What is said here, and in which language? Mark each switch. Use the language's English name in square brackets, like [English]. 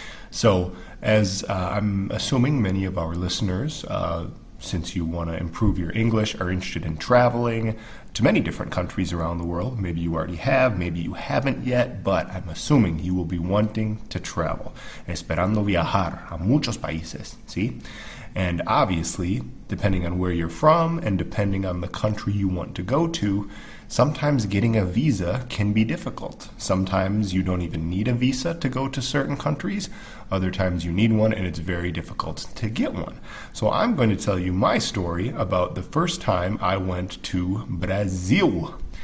[English] So, as I'm assuming many of our listeners, since you want to improve your English, are interested in traveling to many different countries around the world. Maybe you already have, maybe you haven't yet, but I'm assuming you will be wanting to travel. [Spanish] Esperando viajar a muchos países, ¿sí? [English] And obviously, depending on where you're from and depending on the country you want to go to, sometimes getting a visa can be difficult. Sometimes you don't even need a visa to go to certain countries. Other times you need one and it's very difficult to get one. So I'm going to tell you my story about the first time I went to Brazil.